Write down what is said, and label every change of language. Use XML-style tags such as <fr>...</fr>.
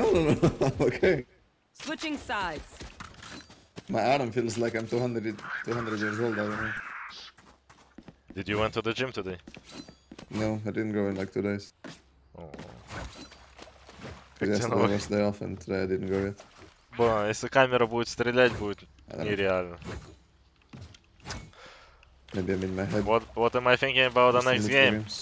<en>No, okay. Switching sides. My arm feels like I'm 200 years old, I don't know. Did you went to the gym today? No, I didn't go in like 2 days. Oh. Yesterday was day off and today I didn't go yet.</en> <ru>Бо, если камера будет стрелять, будет нереально.</ru> <en>Maybe I'm in my head. What am I thinking about the next game?</en>